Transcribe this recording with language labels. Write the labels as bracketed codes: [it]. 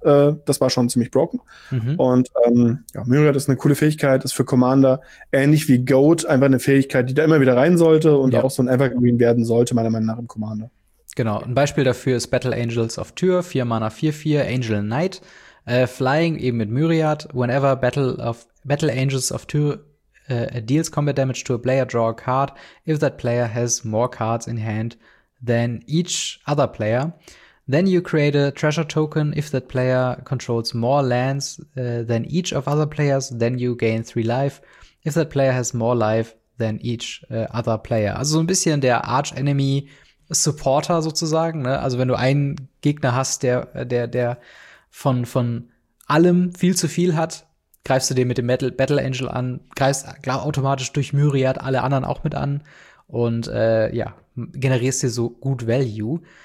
[de] Das war schon ziemlich broken. Und Myriad ist eine coole Fähigkeit, ist für Commander ähnlich wie Goat einfach eine Fähigkeit, die da immer wieder rein sollte und auch so ein Evergreen werden sollte, meiner Meinung nach, im Commander. Genau, ein Beispiel dafür ist Battle Angels of Tyr, 4 Mana, 4/4, Angel Knight. [en] Flying [de] eben mit [en] Myriad, whenever Battle Angels of Tyr deals combat damage to a player, draw a card if that player has more cards in hand than each other player. Then you create a treasure token. If that player controls more lands than each of other players, then you gain 3 life. If that player has more life than each other player. [de] Also so ein bisschen der Arch-Enemy-Supporter sozusagen. Ne? Also wenn du einen Gegner hast, der von allem viel zu viel hat, greifst du den mit dem Battle Angel an, greifst automatisch durch Myriad alle anderen auch mit an und ja, generierst dir so gut Value.